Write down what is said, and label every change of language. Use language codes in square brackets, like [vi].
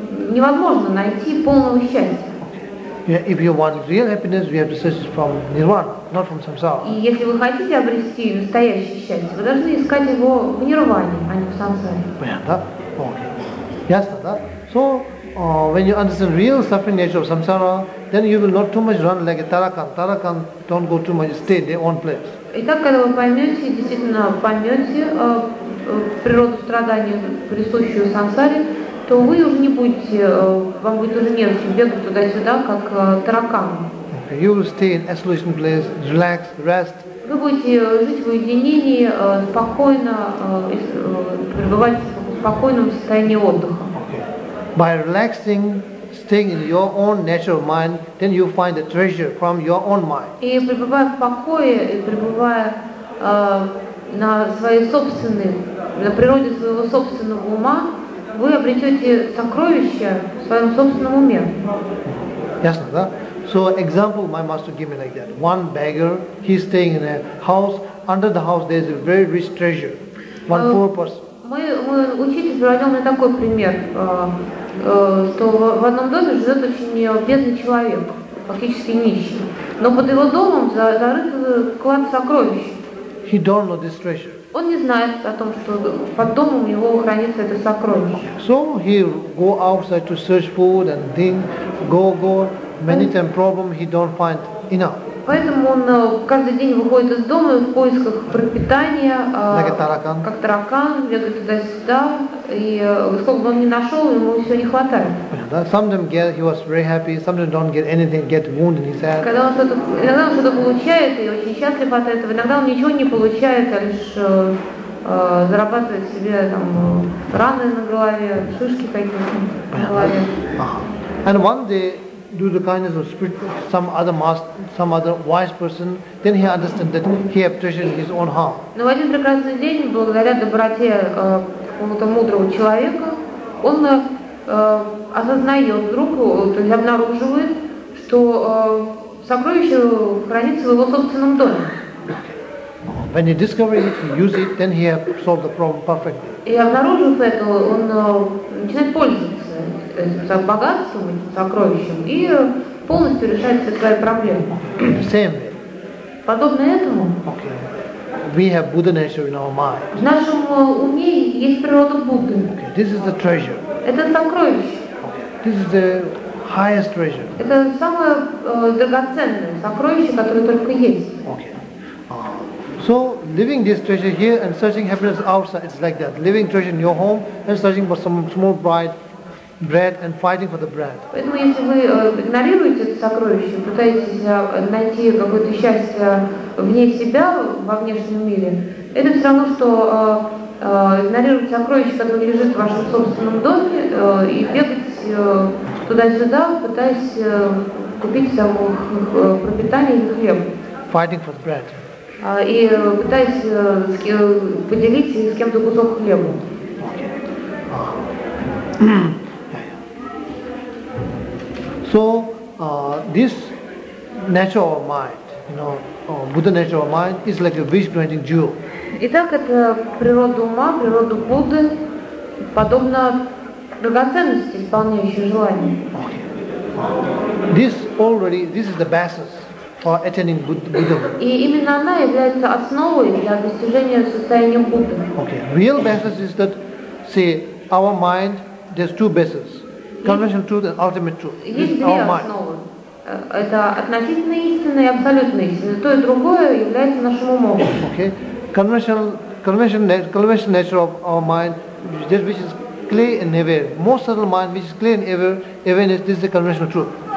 [ru] невозможно найти полного счастья. [en] Okay. Yeah, if you want real happiness, we have to search from nirvana, not from samsara. [ru] И если вы хотите обрести настоящее счастье, вы должны искать его в нирване, а не в самсаре. Понятно? Okay. Ясно, да? [en] So when you understand real suffering nature of samsara, then you will not too much run like a tarakan. Tarakan don't go too much, stay in their own place. [ru] Итак, когда вы поймете, действительно поймете природу страдания, присущую самсаре, то вы уже не будете, вам будет уже нервничать, бегать туда-сюда, как таракан. [en] Okay. You will stay in isolation place, relax, rest. [ru] Вы будете жить в уединении, спокойно, пребывать в спокойном состоянии отдыха. [en] By relaxing, staying in your own natural mind, then you find the treasure from your own mind. [ru] И пребывая в покое, и пребывая на своей собственной, на природе своего собственного ума, вы обретете сокровища в своем собственном уме. Ясно, да? [en] So example my master gave me like that. One beggar, he's staying in a house. Under the house there's a very rich treasure. One poor person. [ru] Мой учитель приводил мне такой пример. Что в одном доме живет очень бедный человек, фактически нищий. Но под его домом зарыт клад сокровищ. [en] He don't know this treasure. [ru] Он не знает о том, что под домом его хранится это сокровище. [en] So he go outside to search food and think, go, many time problem he don't find enough. [ru] Поэтому он каждый день выходит из дома в поисках пропитания, как таракан, бегает туда-сюда, и сколько бы он ни нашел, ему все не хватает. [en] He was very happy, sometimes don't get anything, get wound in his head. [ru] Иногда он что-то получает, и очень счастлив от этого, иногда он ничего не получает, а лишь зарабатывает себе там раны на голове, шишки какие-то на голове. [en] And one day, do the kindness of spirit, some other master, some other wise person, then he understands that he has treasure in his own heart. [ru] Но в один прекрасный день, благодаря доброте какого-то мудрого человека, он осознает вдруг, то есть обнаруживает, что сокровище хранится в его собственном доме. [en] When he discovers it, he uses it, then he has solved the problem perfectly. [ru] И обнаружив это, он начинает пользоваться богатством, сокровищем и полностью решает все свои проблемы. [en] Same way. [ru] Подобно этому, [en] We have Buddha nature in our mind. [ru] В нашем уме есть природа Будды. [en] Okay. This is the treasure. [ru] Это сокровище. [en] Okay. This is the highest treasure. [ru] Это самое драгоценное сокровище, которое только есть. [en] Okay. So living this treasure here and searching happiness outside, it's like that. Living treasure in your home and searching for some small bread and fighting for the bread. [ru] Поэтому если вы игнорируете это сокровище, пытаетесь найти какое-то счастье вне себя, во внешнем мире, это все равно, что игнорировать сокровище, которое лежит в вашем собственном доме, и бегать туда-сюда, пытаясь купить само пропитание и хлеб. [en] Fighting for the bread. [ru] И пытаясь поделить с кем-то кусок хлеба. [en] So this nature of mind, you know, Buddha nature of mind is like a wish-granting jewel. [ru] Итак, это природа ума, природа Будды, подобно драгоценности, исполняющей желание. [en] This is the basis for attaining Buddha. [ru] И именно она является основой для достижения состояния Будды. [en] Okay. Real basis is that, see, our mind. There's two bases. Conventional truth and ultimate truth. [ru] Есть две основы. Это относительная истина и абсолютная истина. То и другое является нашим умом. [en] Okay. Conventional nature of our mind, which is clear and aware. Most subtle mind, which is clear and awareness, this is the conventional truth.